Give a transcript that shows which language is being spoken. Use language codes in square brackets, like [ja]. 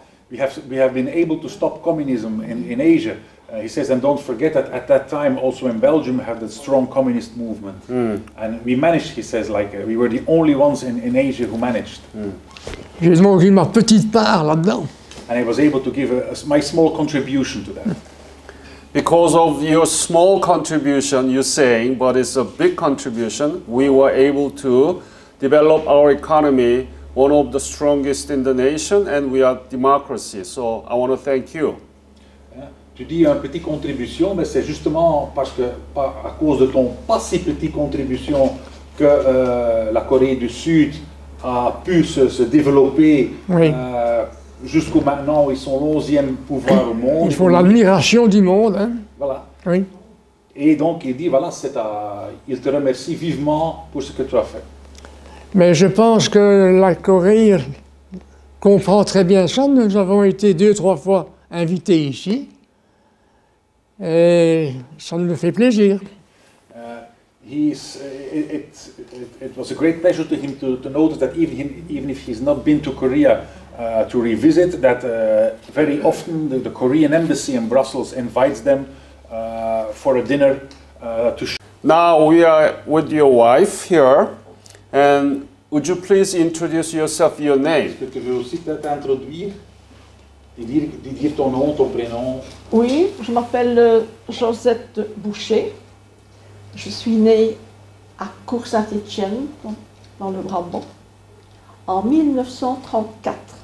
[en] We have been able to stop communism in Asia. He says, and don't forget that at that time, also in Belgium, had a strong communist movement. Mm. And we managed, he says, like we were the only ones in Asia who managed. Mm. [fr] J'ai donc eu ma petite part là-dedans. [en] And I was able to give my small contribution to that. Because of your small contribution, you're saying, but it's a big contribution, we were able to develop our economy, one of the strongest in the nation, and we are democracy. So I want to thank you. [fr] Tu dis un petit contribution, mais c'est justement parce que à cause de ton pas si petit contribution que la Corée du Sud a pu se développer. Oui. Jusqu'au maintenant, ils sont 11e pouvoir au monde. Ils font l'admiration du monde. Hein? Voilà. Oui. Et donc, il dit, voilà, il te remercie vivement pour ce que tu as fait. Mais je pense que la Corée comprend très bien ça. Nous avons été 2-3 fois invités ici. Et ça nous fait plaisir. [en] It was a great pleasure to him to notice that even if he's not been to Korea, to revisit that very often the Korean embassy in Brussels invites them for a dinner Now we are with your wife here, and would you please introduce yourself, your name? [fr] Est-ce que tu veux aussi peut-être introduire, dire ton nom, ton prénom? Oui, je m'appelle Josette Boucher. Je suis née à Cours-Saint-Étienne, dans le Brabant, en 1934.